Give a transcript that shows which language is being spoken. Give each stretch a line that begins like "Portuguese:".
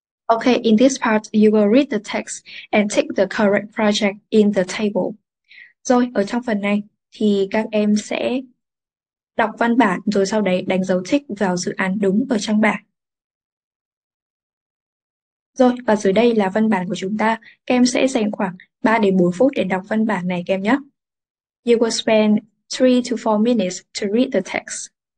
English: Okay, in this part, you will read the text and tick the correct project in the table.
Vietnamese: Rồi, ở trong phần này thì các em sẽ đọc văn bản rồi sau đấy đánh dấu tick vào dự án đúng ở trong bảng. Rồi, và dưới đây là văn bản của chúng ta. Các em sẽ dành khoảng 3 đến 4 phút để đọc văn bản này các em nhé.
English: You will spend 3 to 4 minutes to read the text.